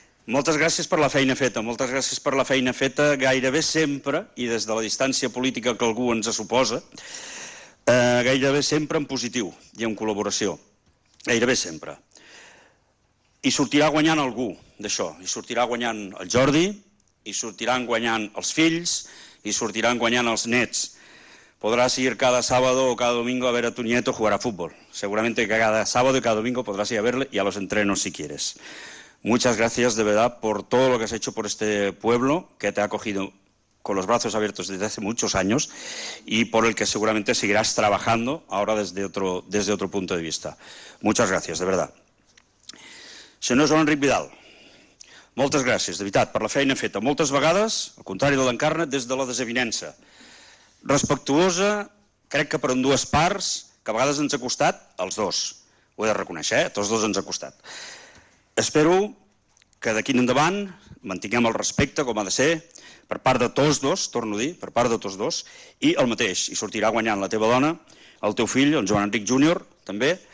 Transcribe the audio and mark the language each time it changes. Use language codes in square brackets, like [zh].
[ca] Moltes gràcies per la feina feta, moltes gràcies per la feina feta gairebé sempre, i des de la distància política que algú ens suposa, gairebé sempre en positiu i en col·laboració, gairebé sempre. I sortirà guanyant algú d'això, i sortirà guanyant el Jordi, i sortiran guanyant els fills, i sortiran guanyant els nets. [es] Podràs ir cada sábado o cada domingo a ver a tu nieto jugar a fútbol. Seguramente que cada sábado y cada domingo podrás ir a verle y a los entrenos si quieres. Muchas gracias de verdad por todo lo que has hecho por este pueblo, que te ha acogido con los brazos abiertos desde hace muchos años y por el que seguramente seguirás trabajando ahora desde otro punto de vista. Muchas gracias, de verdad. [ca] Senyor Joan Enric Vidal, moltes gràcies, de veritat, per la feina feta. Moltes vegades, al contrari de l'Encarna, des de la desavinença. Respectuosa, crec que per en dues parts, que a vegades ens ha costat, els dos. Ho he de reconèixer, tots dos ens ha costat. Espero que d'aquí endavant mantinguem el respecte, com ha de ser, per part de tots dos, torno a dir, per part de tots dos, i el mateix, i sortirà guanyant la teva dona, el teu fill, en Joan Enric Júnior, també.